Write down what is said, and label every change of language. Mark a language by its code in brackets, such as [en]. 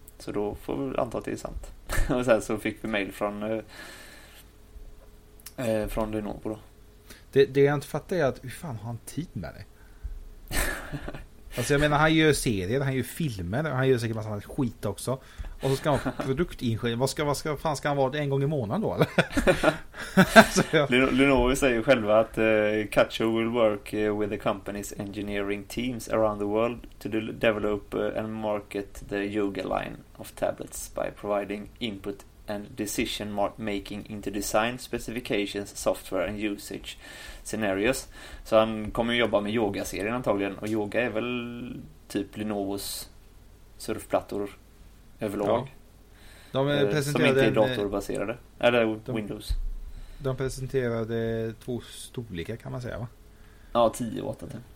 [sv] Så då får vi anta att det är sant. Och sen så fick vi mail från Lenovo då. Det jag inte fattar är att hur fan har han tid med det? Alltså jag menar, han gör serien, han gör filmer, han gör säkert massa skit också. Och så ska han vara produktingenjör. Vad fan ska han vara en gång i månaden då? Alltså, ja. [en] Lenovo [sv] säger ju själva att [en] Kacho will work with the company's engineering teams around the world to develop and market the Yoga line of tablets by providing input and decision making into design, specifications, software and usage scenarios. [sv] Så han kommer ju jobba med yoga-serien antagligen. Och yoga är väl typ Lenovos surfplattor överlag. Ja. De presenterade, som inte är datorbaserade. Eller Windows. De presenterade två storlekar kan man säga, va? Ja, 10 och 8. Typ.